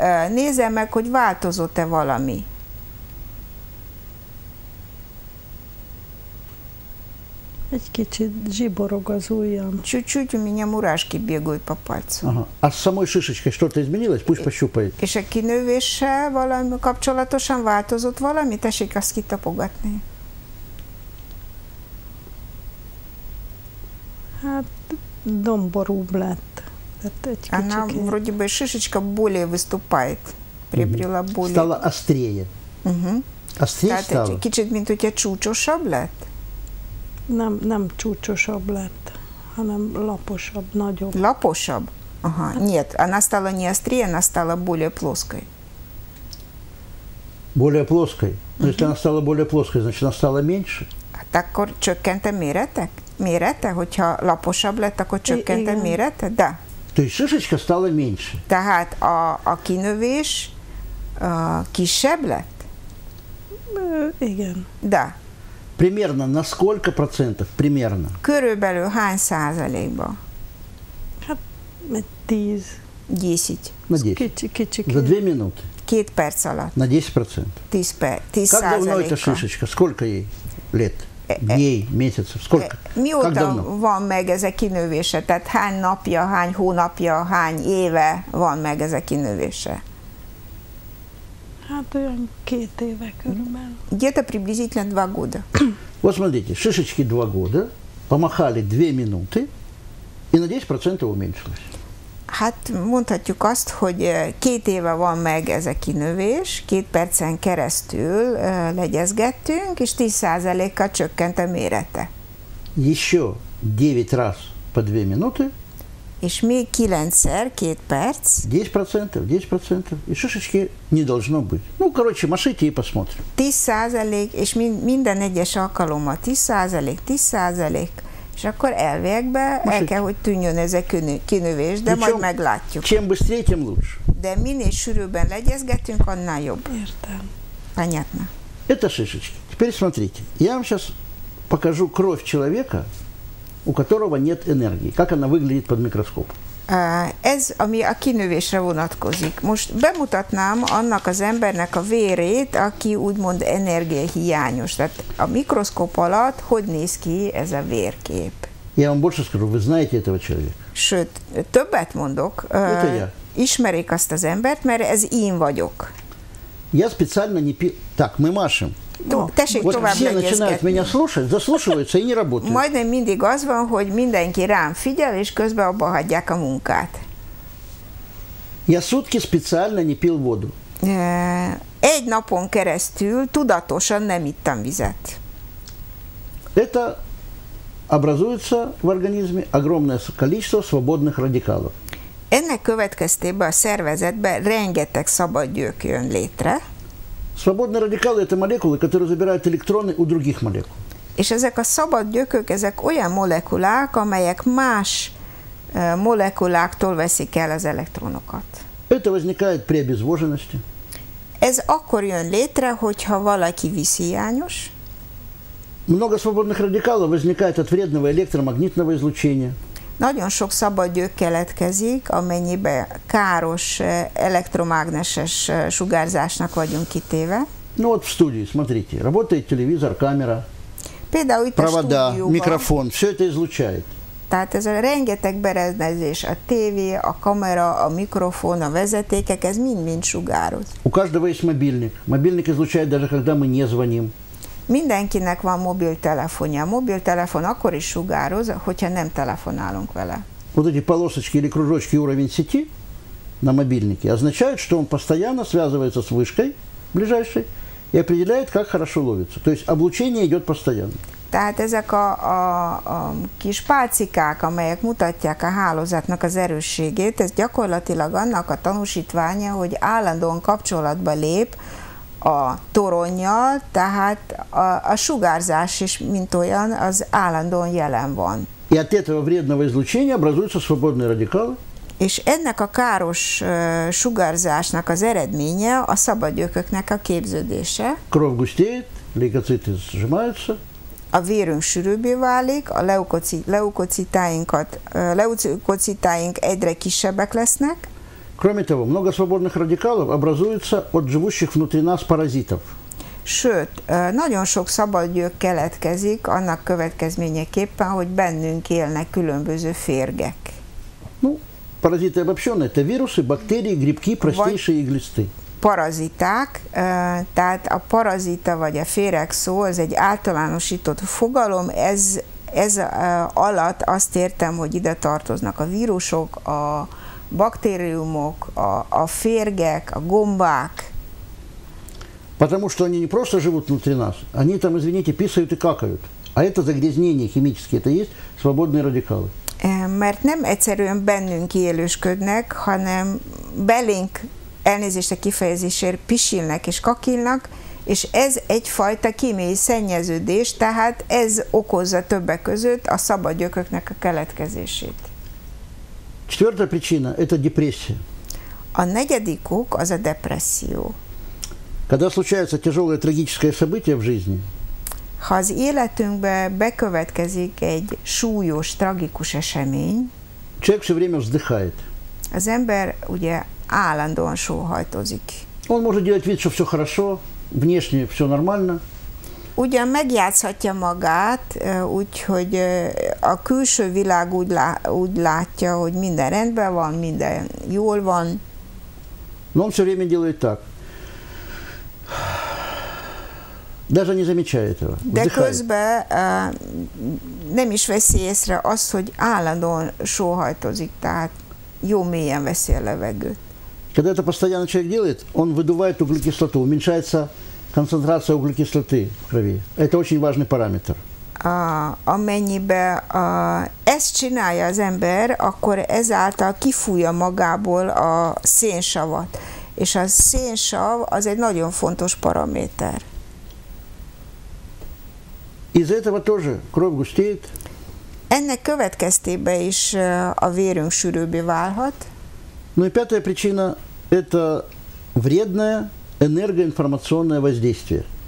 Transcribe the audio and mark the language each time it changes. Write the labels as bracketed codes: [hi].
[hu] Nézem meg, hogy változott-e valami. Egy kicsit zsiborog az ujjam. [ru] Чуть-чуть у меня мурашки бегают по пальцам. А с самой шишечкой что-то изменилось? Пусть пощупает. [hu] És a kinővéssel valami kapcsolatosan változott valami? Tessék azt kitapogatni. Hát domborúbb lett. Tehát egy kicsit. [ru] Она вроде бы шишечка более выступает. Приобрела более. Стала острее. Острее стала. [hu] Kicsit, mint hogyha csúcsosabb lett. Nem csúcsosabb lett, hanem laposabb, nagyobb. Laposabb? Aha, [ru] нет, она стала не острее, она стала более плоской. Более плоской? [en] Uh-huh. [ru] Если она стала более плоской, значит, она стала меньше? [hu] Hát akkor csökkent a méretek? Mérete? Hogyha laposabb lett, akkor csökkent a mérete? [ru] Да. То есть шишечка стала меньше? [hu] Tehát a kinövés kisebb lett? Igen. [ru] Да. Примерно на сколько процентов? Примерно. [hu] Körülbelül hány százalékba? Hát, 10. 10. [ru] На 10. [hu] Kicsi. [ru] За 2 минуты. [hu] 2 perc alatt. [ru] На 10%. 10%. Как давно эта шишечка? Сколько ей лет? Дней, месяцев? Сколько? [hu] Mióta van meg ez a kinövése? Tehát hány napja, hány hónapja, hány éve van meg ez a kinövése? Hát olyan 2 éve körülbelül. [ru] Где-то приблизительно 2 года. Вот смотрите, шишечки 2 года, помахали 2 минуты, и на 10% уменьшилось. [hu] Hát mondhatjuk azt, hogy 2 éve van meg ez a kinövés, 2 percen keresztül legyezgettünk, és 10%-kal csökkent a mérete. [ru] Еще 9 раз по 2 минуты. [hu] És még 9-szer, 2 perc. [ru] 10%, 10%, és шишечки не должно быть. Ну, короче, машите и посмотрим. [hu] 10%, és minden egyes alkalommal 10%, 10%, és akkor elvégbe el kell, hogy tűnjön ez a kinövés, de majd meglátjuk. [ru] Чем быстрее, тем лучше. [hu] De minél sűrűbben legyezgetünk, annál jobb. Értem. [ru] Понятно. Это шишечки. Теперь смотрите. Я вам сейчас покажу кровь человека, у которого нет энергии. Как она выглядит под микроскопом? [hu] Ez, ami a kinövésre vonatkozik. Most bemutatnám annak az embernek a vérét, aki úgymond energiahiányos. Tehát a mikroszkóp alatt hogy néz ki ez a vérkép? [ru] Я вам больше скажу, вы знаете этого человека. [hu] Sőt, többet mondok. Ismerik azt az embert, mert ez én vagyok. [ru] Я специально не пил. Так, мы машем. [hu] Tessék tovább legyezgetni. [ru] Заслушивается и не работает. [hu] Majdnem mindig az van, hogy mindenki rám figyel, és közben abba hagyják a munkát. [ru] Я сутки специально не пил воду. [hu] Egy napon keresztül tudatosan nem ittam vizet. [ru] Это образуется в организме огромное количество свободных радикалов. [hu] Ennek következtében a szervezetben rengeteg szabad gyök jön létre. [ru] Свободные радикалы – это молекулы, которые забирают электроны у других молекул. [hu] És ezek a szabad gyökök, ezek olyan molekulák, amelyek más molekuláktól veszik el az elektronokat. [ru] Это возникает при обезвоженности. [hu] Ez akkor jön létre, hogyha valaki viszhiányos. [ru] Много свободных радикалов возникает от вредного электромагнитного излучения. [hu] Nagyon sok szabad gyök keletkezik, amennyibe káros elektromágneses sugárzásnak vagyunk kitéve. [ru] Ну вот в студии, смотрите, работает телевизор, камера. [hu] Például itt [ru] провода, [hu] a stúdióban. [ru] Микрофон, все это излучает. [hu] Tehát ez a rengeteg berendezés, a tévé, a kamera, a mikrofon, a vezetékek, ez mind-mind sugároz. [ru] У каждого есть мобильник. Мобильник излучает даже когда мы не звоним. [hu] Mindenkinek van mobiltelefonja. Mobiltelefon akkor is sugároz, hogyha nem telefonálunk vele. [ru] Вот эти полосочки или кружочки уровень сети на мобильнике означают, что он постоянно связывается с вышкой ближайшей и определяет, как хорошо ловится. То есть облучение идет постоянно. [hu] Tehát ezek a kis pálcikák, amelyek mutatják a hálózatnak az erősségét, ez gyakorlatilag annak a tanúsítványa, hogy állandóan kapcsolatba lép a toronnyal, tehát a sugárzás is, mint olyan, az állandóan jelen van. [ru] И от этого вредного излучения образуются свободные радикалы. [hu] És ennek a káros sugárzásnak az eredménye a szabad gyököknek a képződése. [ru] Кровь густеет, лейкоциты сжимаются. [hu] A vérünk sűrűbbé válik, a leukocitáink egyre kisebbek lesznek. [ru] Кроме того, много свободных радикалов образуется от живущих внутри нас паразитов. [hu] Sőt, nagyon sok szabad gyök keletkezik annak következményeképpen, hogy bennünk élnek különböző férgek. [ru] Ну, паразиты обобщенные, это вирусы, бактерии, грибки, простейшие иглисты. [hu] Paraziták, tehát a parazita vagy a féreg szó, az egy általánosított fogalom, ez alatt azt értem, hogy ide tartoznak a vírusok, a baktériumok, a férgek, a gombák. [ru] Потому что они не просто живут внутри нас, они там, извините, писают и какают. А это загрязнение химические, это есть свободные радикалы. [hu] Mert nem egyszerűen bennünk élősködnek, hanem belénk elnézést a kifejezésért pisilnek és kakilnak, és ez egyfajta kémiai szennyeződés, tehát ez okozza többek között a szabad gyököknek a keletkezését. [ru] Четвертая причина – это депрессия. [hu] A negyedik ok az a depresszió. [ru] Когда случается тяжелое трагическое событие в жизни, [hu] ha az életünkbe bekövetkezik egy súlyos, tragikus esemény, [ru] человек все время вздыхает. [hu] Az ember ugye állandóan sóhajtozik. [ru] Он может делать вид, что все хорошо, внешне все нормально. [hu] Ugyan megjátszhatja magát, úgyhogy a külső világ úgy látja, hogy minden rendben van, minden jól van. [ru] Но он все время делает так. Даже не замечает этого. [hu] De közben nem is veszi észre azt, hogy állandóan sóhajtozik, tehát jó mélyen veszi a levegőt. [ru] Когда это постоянно человек делает, он выдувает углекислоту, уменьшается концентрация углекислоты в крови. Это очень важный параметр. [hu] Amennyibe ezt csinálja az ember, akkor ezáltal kifújja magából a szénsavat. És a szénsav az egy nagyon fontos paraméter. [ru] Из этого тоже кровь густеет. [hu] Ennek következtében is a vérünk sűrűbbé válhat. [ru] Ну и пятая причина – это вредное энергоинформационное воздействие.